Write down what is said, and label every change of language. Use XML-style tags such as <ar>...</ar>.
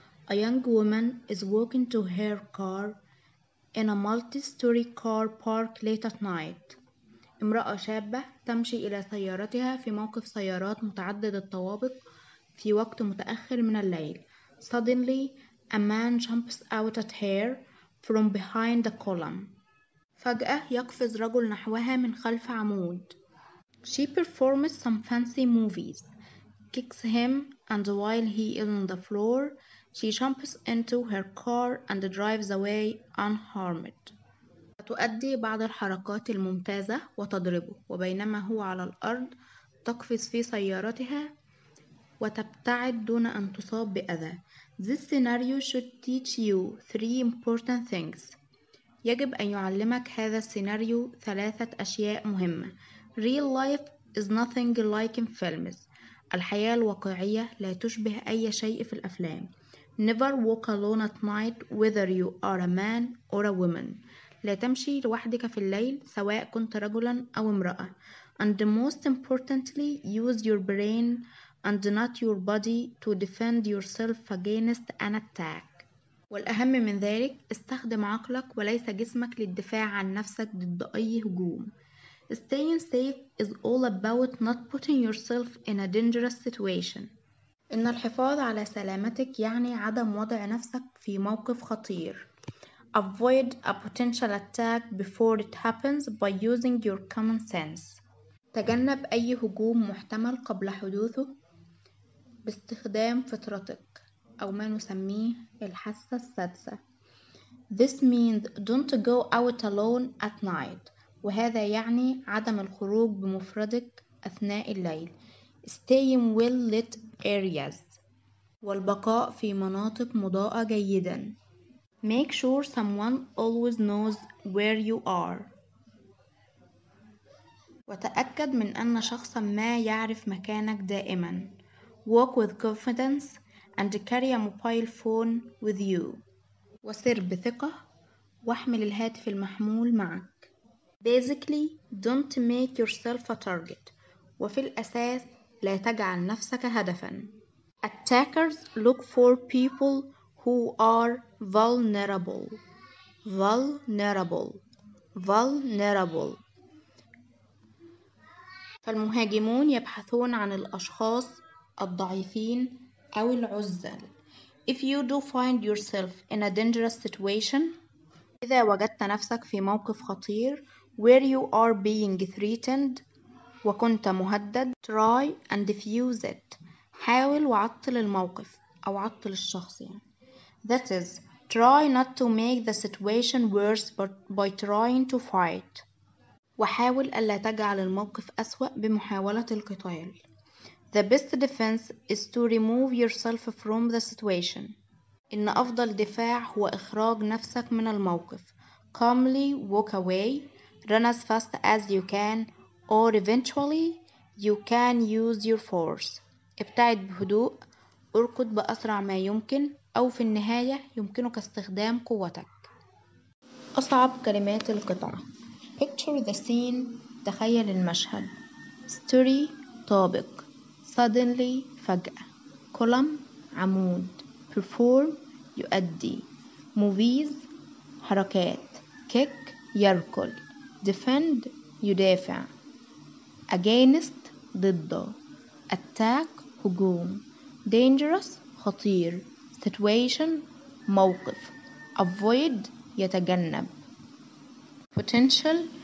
<en>A young woman is walking to her car in a multi-story car park late at night.</en> <ar>امرأة شابة تمشي إلى سيارتها في موقف سيارات متعدد الطوابق في وقت متأخر من الليل.</ar> <en>Suddenly, a man jumps out at her from behind the column.</en> <ar>فجأة يقفز رجل نحوها من خلف عمود.</ar> <en>She performs some fancy moves, kicks him, and while he is on the floor, she jumps into her car and drives away unharmed.</en> <ar>تؤدي بعض الحركات الممتازة وتضربه، وبينما هو على الأرض تقفز في سيارتها وتبتعد دون أن تصاب بأذى.</ar> <en>This scenario should teach you three important things.</en> <ar>يجب أن يعلمك هذا السيناريو ثلاثة أشياء مهمة.</ar> <en>Real life is nothing like in films.</en> <ar>الحياة الواقعية لا تشبه أي شيء في الأفلام.</ar> <en>Never walk alone at night whether you are a man or a woman.</en> <ar>لا تمشي لوحدك في الليل سواء كنت رجلا أو امرأة.</ar> <en>And most importantly, use your brain and not your body to defend yourself against an attack.</en> <ar>والأهم من ذلك، استخدم عقلك وليس جسمك للدفاع عن نفسك ضد أي هجوم.</ar> <en>Staying safe is all about not putting yourself in a dangerous situation.</en> <ar>إن الحفاظ على سلامتك يعني عدم وضع نفسك في موقف خطير.</ar> <en>Avoid a potential attack before it happens by using your common sense.</en> <ar>تجنب أي هجوم محتمل قبل حدوثه باستخدام فطرتك أو ما نسميه الحاسة السادسة.</ar> <en>This means don't go out alone at night.</en> <ar>وهذا يعني عدم الخروج بمفردك أثناء الليل.</ar> <en>Stay in well lit areas.</en> <ar>والبقاء في مناطق مضاءة جيدا.</ar> <en>Make sure someone always knows where you are.</en> <ar>وتأكد من أن شخص ما يعرف مكانك دائما.</ar> <en>Walk with confidence and carry a mobile phone with you.</en> <ar>وسر بثقة واحمل الهاتف المحمول معك.</ar> <en>Basically, don't make yourself a target.</en> <ar>وفي الأساس لا تجعل نفسك هدفا.</ar> <en>Attackers look for people who are vulnerable. Vulnerable. Vulnerable.</en> <ar>فالمهاجمون يبحثون عن الأشخاص الضعيفين أو العزل.</ar> <en>If you do find yourself in a dangerous situation,</en> <ar>إذا وجدت نفسك في موقف خطير,</ar> <en>where you are being threatened,</en> <ar>وكنت مهدد,</ar> <en>try and defuse it.</en> <ar>حاول وعطل الموقف أو عطل الشخص يعني.</ar> <en>That is, try not to make the situation worse by trying to fight.</en> <ar>وحاول ألا تجعل الموقف أسوأ بمحاولة القتال.</ar> <en>The best defense is to remove yourself from the situation.</en> <ar>إن أفضل دفاع هو إخراج نفسك من الموقف.</ar> <en>Calmly walk away, run as fast as you can, or eventually you can use your force.</en> <ar>ابتعد بهدوء، اركض بأسرع ما يمكن، أو في النهاية يمكنك استخدام قوتك. أصعب كلمات القطعة.</ar> <en>Picture the scene.</en> <ar>تخيل المشهد. Story. طابق. Suddenly. فجأة. Column. عمود. Perform. يؤدي. Movies. حركات. Kick. يركل. Defend. يدافع. Against. ضد. Attack. هجوم. Dangerous. خطير. Situation. موقف. Avoid. يتجنب. Potential.</ar>